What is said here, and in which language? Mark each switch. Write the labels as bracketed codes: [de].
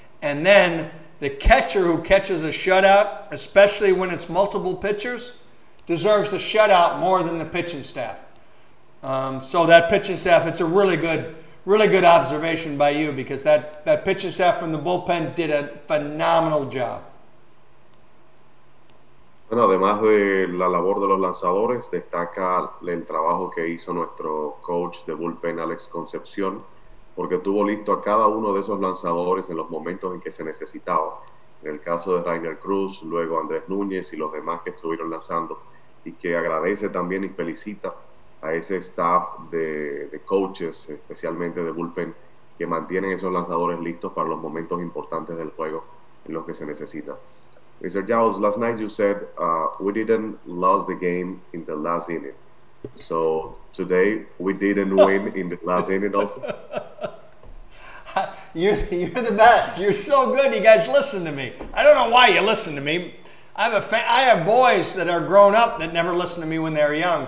[en] And then the catcher who catches a shutout, especially when it's multiple pitchers, deserves the shutout more than the pitching staff. So that pitching staff, it's a really good, really good observation by you, because that pitching staff from the bullpen did a phenomenal job. [es] Bueno, además de la labor de los lanzadores, destaca el trabajo que hizo nuestro coach de bullpen, Alex Concepcion, porque tuvo listo a cada uno de esos lanzadores en los momentos en que se necesitaba. En el caso de Rainer Cruz, luego Andrés Núñez y los demás que estuvieron lanzando, y que agradece también y felicita a ese staff de coaches, especialmente de bullpen, que mantienen esos lanzadores listos para los momentos importantes del juego en los que se necesita. [en] Mr. Jones, last night you said we didn't lose the game in the last inning. So today we didn't win in the last inning also. You're the best. You're so good. You guys listen to me. I don't know why you listen to me. I have boys that are grown up that never listen to me when they're young.